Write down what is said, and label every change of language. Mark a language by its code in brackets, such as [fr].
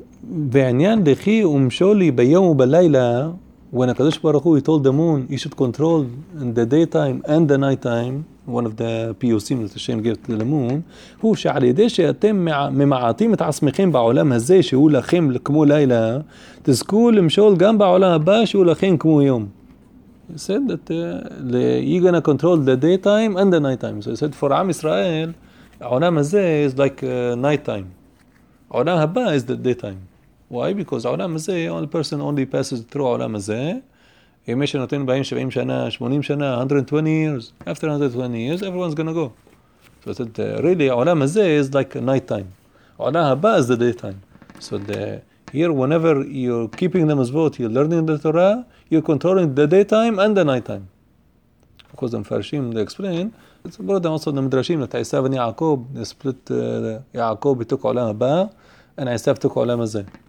[he] בעניין לכי ומשולי ביום ובלילה, when הקדוש ברוך הוא, [en] he told the moon, [he] you should control in the daytime and the nighttime, one of the POCs that Hashem gave to the moon, הוא שעל ידי שאתם ממעטים את עצמכם בעולם הזה, שהוא לכם כמו לילה, תזכו למשול גם בעולם הבא, שהוא לכם כמו יום. [en] He said that you're going to control the daytime and the nighttime. So he said, for Am Israel, העולם הזה is like nighttime. עולם הבא is the daytime. Why? Because עולם הזה, only person only passes through עולם הזה. [he] ימי שנותן בהם 70 שנה, 80 שנה, 120 years. [en] After 120 years, everyone's gonna go. So that really, עולם הזה is like night time. עולם הבא is the daytime. So the, Here, whenever you're keeping the mitzvot, you're learning the Torah, you're controlling the daytime and the nighttime. Of course, the Mefarshim, they explain, it's brought down also in the Midrashim that Esav and Yaakov, they split Yaakov, he took Olam Abba, and Esav took Olam Azeh.